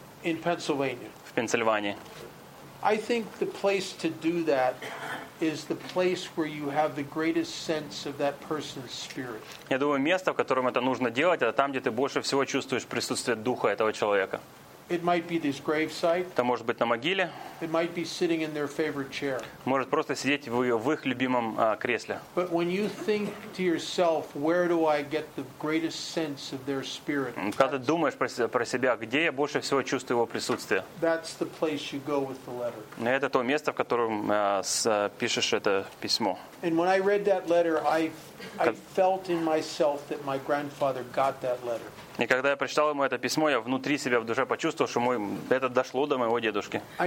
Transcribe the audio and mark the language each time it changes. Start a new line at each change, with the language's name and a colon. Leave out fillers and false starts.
English: In Pennsylvania.
Russian: В Пенсильвании.
English: I think the place to do that is the place where you have the greatest sense of that person's spirit.
Russian: Я думаю, место, в котором это нужно делать, это там, где ты больше всего чувствуешь присутствие духа этого человека.
English: It might be this gravesite.
Russian: Это может быть на могиле.
English: It might be sitting in their favorite chair.
Russian: Может просто сидеть в их любимом кресле.
English: But when you think to yourself, where do I get the greatest sense of their spirit?
Russian: Когда думаешь про себя, где я больше всего чувствую его присутствие?
English: That's the place you go with the letter.
Russian: Это то место, в котором пишешь это письмо.
English: And when I read that letter, I felt in myself that my grandfather got that letter.
Russian: И когда я прочитал ему это письмо, я внутри себя, в душе почувствовал, что это дошло до моего дедушки.